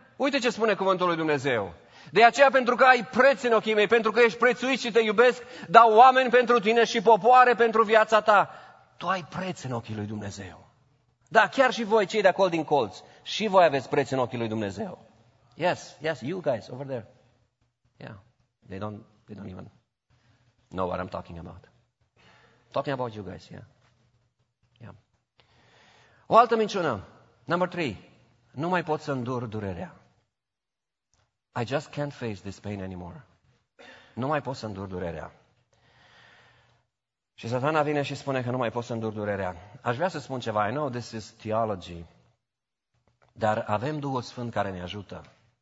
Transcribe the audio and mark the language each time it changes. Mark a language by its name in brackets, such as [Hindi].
[Romanian] Uite ce spune Cuvântul lui Dumnezeu. De aceea, pentru că ai preț în ochii mei, pentru că ești prețuit și te iubesc, dau oameni pentru tine și popoare pentru viața ta. Tu ai preț în ochii lui Dumnezeu. Da, chiar și voi, cei de acolo din colț, și voi aveți preț în ochii lui Dumnezeu. [English] Yes, yes, you guys over there. Yeah, they don't even know what I'm talking about. Talking about you guys, yeah. Yeah. [Romanian] O altă minciună, [English] number three, [Romanian] nu mai pot să îndur durerea. [English] I just can't face this pain anymore. [Romanian] Nu mai pot să îndur durerea. Și Satana vine și spune că nu mai pot să îndur durerea. Aș vrea să spun ceva, [English] I know this is theology, [Romanian] dar avem Duhul Sfânt care ne ajută.